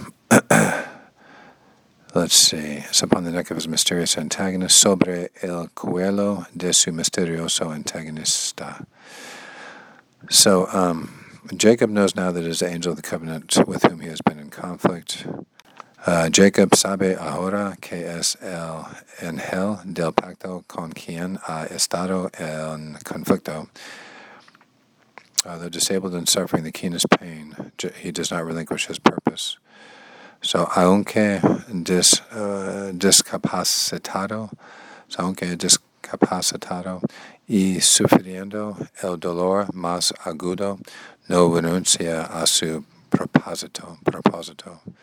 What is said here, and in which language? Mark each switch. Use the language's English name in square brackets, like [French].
[English] let's see. It's upon the neck of his mysterious antagonist, [Spanish] sobre el cuello de su misterioso antagonista. [English] So, Jacob knows now that it is the angel of the covenant with whom he has been in conflict. [Spanish] Jacob sabe ahora que es el ángel del pacto con quien ha estado en conflicto. [English] Though disabled and suffering the keenest pain, he does not relinquish his purpose. [Spanish] So, aunque discapacitado y sufriendo el dolor más agudo, no renuncia a su propósito.